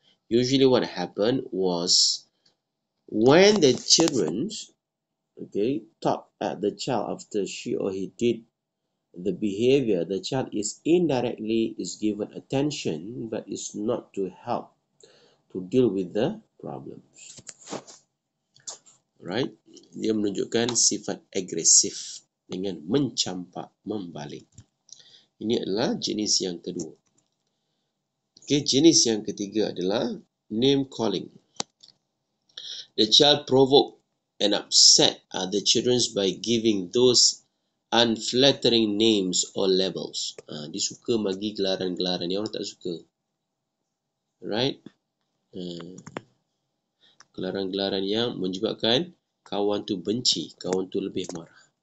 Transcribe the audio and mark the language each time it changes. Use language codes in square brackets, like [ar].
[en] Usually what happened was when the children talk at the child after she or he did the behavior, the child is indirectly is given attention but is not to help to deal with the problems. Right? [ms] Dia menunjukkan sifat agresif dengan mencampak, membaling. Ini adalah jenis yang kedua. Okay, jenis yang ketiga adalah name calling. [en] The child provoke and upset other children by giving those unflattering names or labels. [ms] Dia suka bagi gelaran-gelaran yang orang tak suka. Right? Gelaran-gelaran yang menyebabkan kawan tu benci, kawan tu lebih marah.